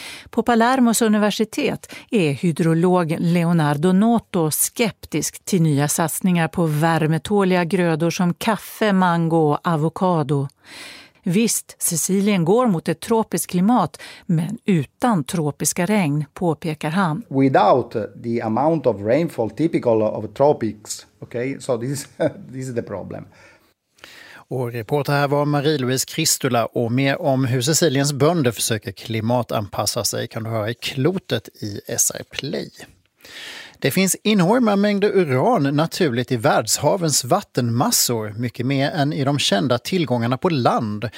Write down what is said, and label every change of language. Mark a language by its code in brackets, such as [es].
[sv] På Palermos universitet är hydrolog Leonardo Noto skeptisk till nya satsningar på värmetåliga grödor som kaffe, mango och avokado. Visst, Sicilien går mot ett tropiskt klimat, men utan tropiska regn, påpekar han. [en] Without the amount of rainfall typical of tropics, okay? So this is the problem. [sv] Och reporter här var Marie-Louise Kristula, och mer om hur Siciliens bönder försöker klimatanpassa sig kan du höra i Klotet i SR Play. Det finns enorma mängder uran naturligt i världshavens vattenmassor, mycket mer än i de kända tillgångarna på land.